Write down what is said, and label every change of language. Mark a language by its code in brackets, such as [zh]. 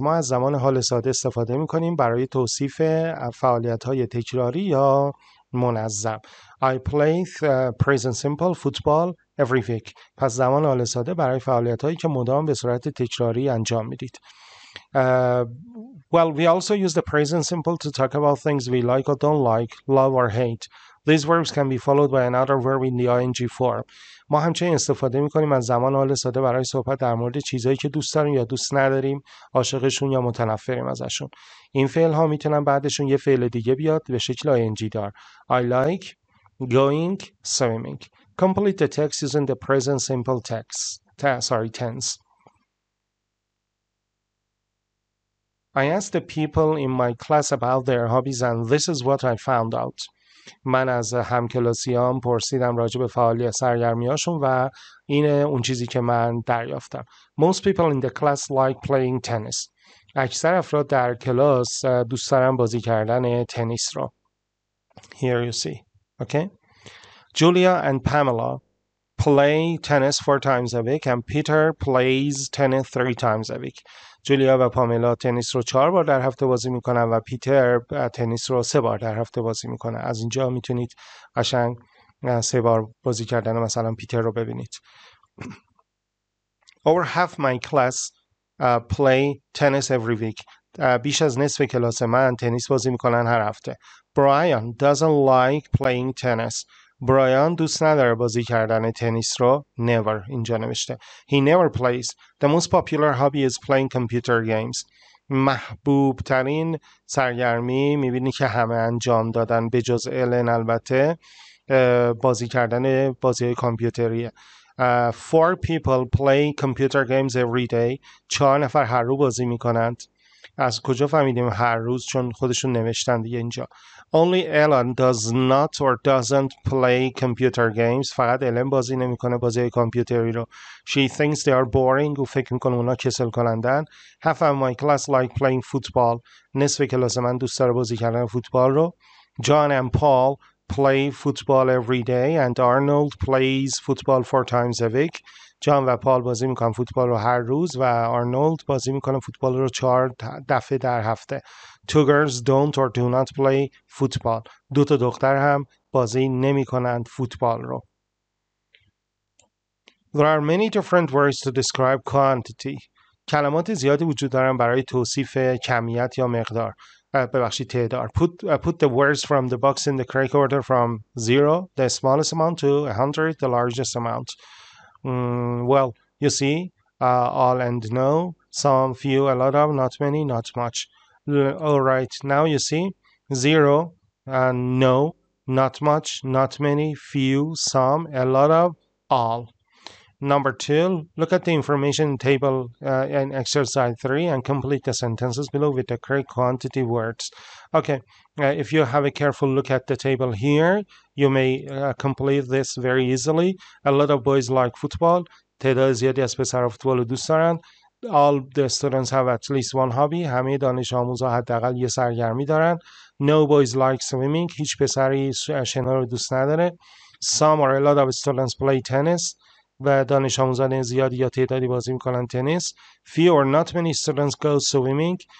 [fa] ما از زمان حال ساده استفاده می‌کنیم برای توصیف فعالیت‌های تکراری یا منظم. [en] I play present simple football every week. [fa] پس زمان حال ساده برای فعالیت‌هایی که مدام به صورت تکراری انجام می‌دید. [en] Well, we also use the present simple to talk about things we like or don't like, love or hate. These verbs can be followed by another verb in the ing form. [fa] ما همچنین استفاده می‌کنیم از زمان حال ساده برای صحبت در مورد چیزایی که دوست داریم یا دوست نداریم، عاشقشون یا متنفریم ازشون. این فعل‌ها می‌تونن بعدشون یه فعل دیگه بیاد به شکل ing دار. [en] I like going swimming. Complete the text using the present simple tense. I asked the people in my class about their hobbies and this is what I found out. [fa] من از همکلاسیام پرسیدم راجع به فعالیت سرگرمی‌هاشون و این اون چیزی که من دریافتم. [en] Most people in the class like playing tennis. [fa] اکثر افراد در کلاس دوست دارن بازی کردن تنیس رو. [en] Here you see. Okay? Julia and Pamela play tennis 4 times a week and Peter plays tennis 3 times a week. [fa] جولیا و پاملا تنیس رو 4 بار در هفته بازی میکنن و پیتر تنیس رو 3 بار در هفته بازی میکنه. از اینجا میتونید قشنگ 3 بار بازی کردن مثلا پیتر رو ببینید. [en] Over half my class play tennis every week. [fa] بیش از نصف کلاس من تنیس بازی میکنن هر هفته. [en] Brian doesn't like playing tennis. [fa] برایان دوست نداره بازی کردن تنیس رو. [en] Never [fa] اینجا نوشته. [en] He never plays. The most popular hobby is playing computer games. [fa] محبوب ترین سرگرمی میبینی که همه انجام دادن به جز الن البته بازی کردن بازی های کامپیوتریه. [en] 4 people play computer games every day. [fa] 4 نفر هر روز بازی میکنند. از کجا فهمیدیم هر روز؟ چون خودشون نوشتن دیگه اینجا. [en] Only Ellen does not or doesn't play computer games. [fa] فقط Ellen بازی نمیکنه بازی کامپیوتری رو. [en] She thinks they are boring. [fa] او فکر میکنه اونا کسل کنندن. [en] Half of my class like playing football. [fa] نصف کلاس من دوست داره بازی کردن فوتبال رو. [en] John and Paul play football every day and Arnold plays football 4 times a week. [fa] جان و پال بازی میکنن فوتبال رو هر روز و آرنولد بازی میکنه فوتبال رو 4 دفعه در هفته. [en] 2 girls don't or do not play football. [fa] 2 تا دختر هم بازی نمیکنند فوتبال رو. [en] There are many different words to describe quantity. [fa] کلمات زیادی وجود دارن برای توصیف کمیت یا مقدار. ببخشید تعداد. [en] Put the words from the box in the correct order from 0, the smallest amount, to 100, the largest amount. Well, you see, all and no, some, few, a lot of, not many, not much. All right, now you see, 0, no, not much, not many, few, some, a lot of, all. Number two, look at the information table in exercise three and complete the sentences below with the correct quantity words. Okay, if you have a careful look at the table here, you may complete this very easily. A lot of boys like football. [fa] تعداد زیادی از پسرها فوتبال رو دوست دارن. [en] All the students have at least one hobby. [fa] همه دانش آموزها حداقل یه سرگرمی دارن. [en] No boys like swimming. [fa] هیچ پسری شنا رو دوست نداره. [en] Some or a lot of students play tennis. [fa] و دانش آموزان زیادی یا تعدادی بازی میکنن تنیس. [en] Few or not many students go swimming.